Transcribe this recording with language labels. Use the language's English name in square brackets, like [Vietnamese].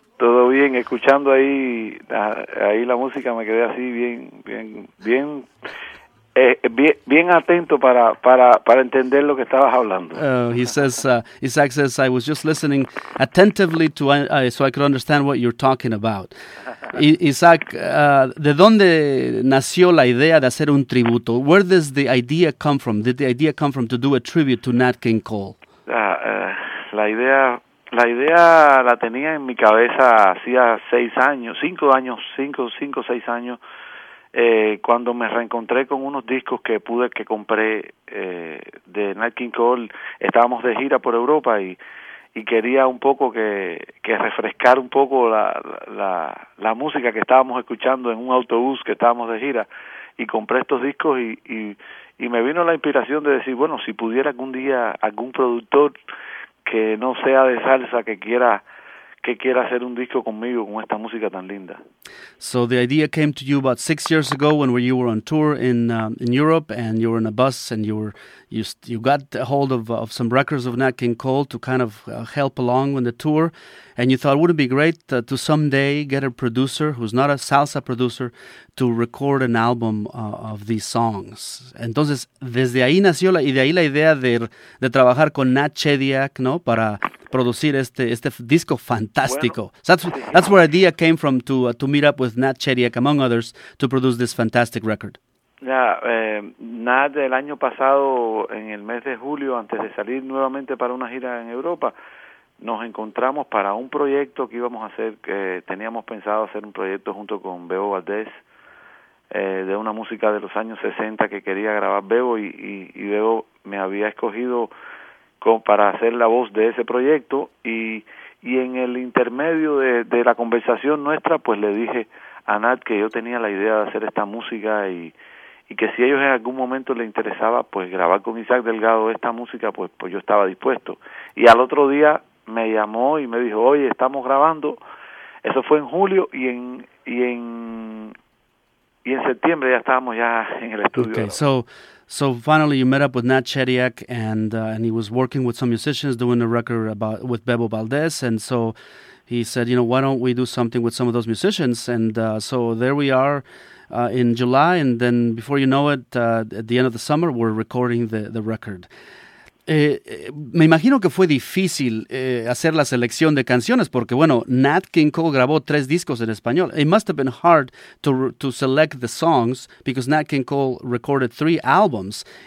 [Spanish] Todo bien, escuchando ahí la música, me quedé así bien atento para entender lo que estabas hablando. [English] Isaac says, I was just listening attentively to so I could understand what you're talking about. [Spanish] Isaac, ¿de dónde nació la idea de hacer un tributo? [English] Where does the idea come from? Did the idea come from to do a tribute to Nat King Cole? [Spanish] La idea la tenía en mi cabeza hacía cinco o seis años, cuando me reencontré con unos discos que compré de Nat King Cole. Estábamos de gira por Europa y quería un poco que refrescar un poco la música que estábamos escuchando en un autobús que estábamos de gira, y compré estos discos y me vino la inspiración de decir, bueno, si pudiera algún día algún productor que no sea de salsa, que quiera hacer un disco conmigo con esta música tan linda. [English] So the idea came to you about 6 years ago when you were on tour in Europe, and you were in a bus and you got a hold of some records of Nat King Cole to kind of help along on the tour, and you thought, wouldn't it be great to someday get a producer who's not a salsa producer to record an album of these songs. [Spanish] Entonces, desde ahí nació la idea de trabajar con Nat Chediak, ¿no? Para producir este disco fantástico. Bueno, [English] that's where the idea came from to meet up with Nat Chediak, among others, to produce this fantastic record. [Spanish] Ya, Nat, el año pasado, en el mes de julio, antes de salir nuevamente para una gira en Europa, nos encontramos para un proyecto que íbamos a hacer, que teníamos pensado hacer un proyecto junto con Bebo Valdés, de una música de los años 60 que quería grabar Bebo, y Bebo me había escogido para hacer la voz de ese proyecto, y en el intermedio de la conversación nuestra, pues le dije a Nat que yo tenía la idea de hacer esta música, y que si ellos en algún momento le interesaba pues grabar con Isaac Delgado esta música, pues yo estaba dispuesto. Y al otro día me llamó y me dijo, oye, estamos grabando. Eso fue en julio, y en septiembre ya estábamos ya en el estudio. [English] Okay, so finally you met up with Nat Cheriak, and he was working with some musicians doing a record about with Bebo Valdez, and so he said, you know, why don't we do something with some of those musicians? And so there we are in July, and then before you know it, at the end of the summer, we're recording the record. [Spanish] Me imagino que fue difícil hacer la selección de canciones porque, bueno, Nat King Cole grabó tres discos en español. [English] It must have been hard to select the songs because Nat King Cole recorded three albums.